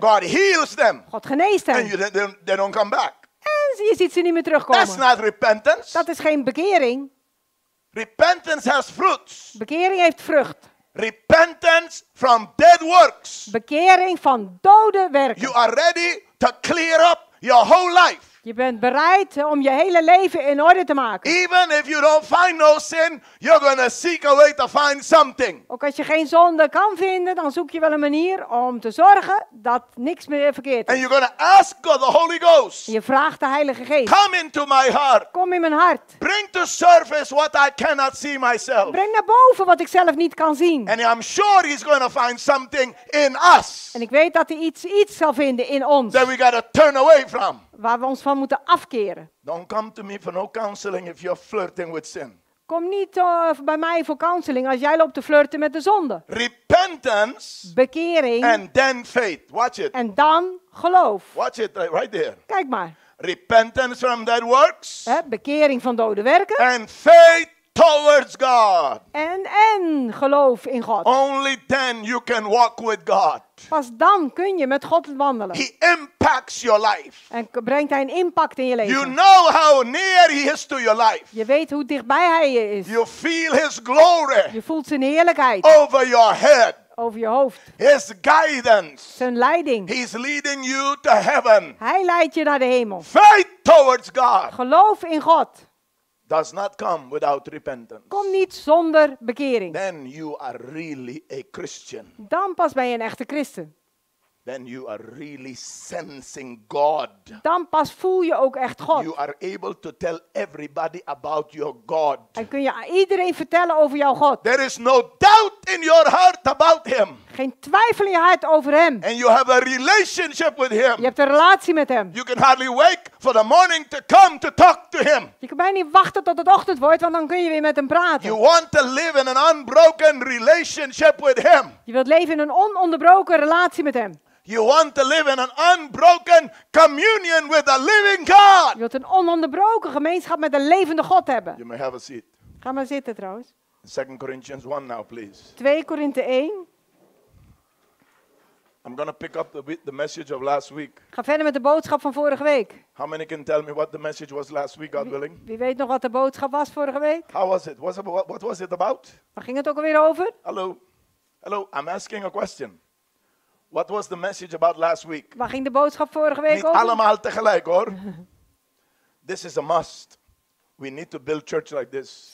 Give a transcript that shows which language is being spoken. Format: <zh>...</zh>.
<en>God heals them.</en> <nl>God geneest hen.</nl> <en>And they don't come back.</en> <nl>En je ziet ze niet meer terugkomen.</nl> <en>That's not repentance.</en> <nl>Dat is geen bekering.</nl> <en>Repentance has fruits.</en> <nl>Bekering heeft vrucht.</nl> <en>Repentance from dead works.</en> <nl>Bekering van dode werken.</nl> <en>You are ready to clear up your whole life.</en> <nl>Je bent bereid om je hele leven in orde te maken.</nl> <en>Even if you don't find no sin, you're going to seek a way to find something.</en> <nl>Ook als je geen zonde kan vinden, dan zoek je wel een manier om te zorgen dat niks meer verkeerd is.</nl> <en>And you're going to ask God, the Holy Ghost.</en> <nl>Je vraagt de Heilige Geest.</nl> <en>Come into my heart.</en> <nl>Kom in mijn hart.</nl> <en>Bring to surface what I cannot see myself.</en> <nl>Breng naar boven wat ik zelf niet kan zien.</nl> <en>And I'm sure he's going to find something in us.</en> <nl>En ik weet dat hij iets zal vinden in ons.</nl> <en>That we got to turn away from.</en> <nl>Waar we ons van moeten afkeren.</nl> <en>Don't come to me for no counseling if you're flirting with sin.</en> <nl>Kom niet bij mij voor counseling als jij loopt te flirten met de zonde.</nl> <en>Repentance.</en> <nl>Bekering.</nl> <en>And then faith. Watch it.</en> <nl>En dan geloof.</nl> <en>Watch it right there.</en> <nl>Kijk maar.</nl> <en>Repentance from dead works.</en> <nl>Bekering van dode werken.</nl> <en>And faith towards God.</en> <nl>En geloof in God.</nl> <en>Only then you can walk with God.</en> <nl>Pas dan kun je met God wandelen.</nl> <en>He impacts your life.</en> <nl>En brengt hij een impact in je leven.</nl> <en>You know how near he is to your life.</en> <nl>Je weet hoe dichtbij hij je is.</nl> <en>You feel his glory.</en> <nl>Je voelt zijn heerlijkheid.</nl> <en>Over your head.</en> <nl>Over je hoofd.</nl> <en>His guidance.</en> <nl>Zijn leiding.</nl> <en>He's leading you to heaven.</en> <nl>Hij leidt je naar de hemel.</nl> <en>Faith towards God.</en> <nl>Geloof in God.</nl> <en>Does not come without repentance.</en> <nl>Kom niet zonder bekering.</nl> <en>Then you are really a Christian.</en> <nl>Dan pas ben je een echte christen.</nl> <en>Then you are really sensing God.</en> <nl>Dan pas voel je ook echt God.</nl> <en>You are able to tell everybody about your God.</en> <nl>En kun je iedereen vertellen over jouw God.</nl> <en>There is no doubt in your heart about him.</en> <nl>Geen twijfel in je hart over hem.</nl> <en>And you have a relationship with him.</en> <nl>Je hebt een relatie met hem.</nl> <en>You can hardly wait for the morning to come to talk to him.</en> <nl>Je kan bijna niet wachten tot het ochtend wordt, want dan kun je weer met hem praten.</nl> <en>You want to live in an unbroken relationship with him.</en> <nl>Je wilt leven in een ononderbroken relatie met hem.</nl> <en>You want to live in an unbroken communion with the living God.</en> <nl>Je wilt een ononderbroken gemeenschap met de levende God hebben.</nl> <en>You may have a seat.</en> <nl>Ga maar zitten trouwens.</nl> <en>2 Corinthians 1 now please.</en> <nl>2 Korinther 1.</nl> <en>I'm going to pick up the message of last week.</en> <nl>Ga verder met de boodschap van vorige week.</nl> <en>How many can tell me what the message was last week, God willing?</en> <nl>Wie weet nog wat de boodschap was vorige week?</nl> <en>How was it? What was it about?</en> <nl>Waar ging het ook alweer over?</nl> <en>Hallo. Hallo, I'm asking a question. What was the message about last week?</en> <nl>Waar ging de boodschap vorige week over? Niet allemaal tegelijk hoor.</nl> <en>This is a must. We need to build church like this.</en>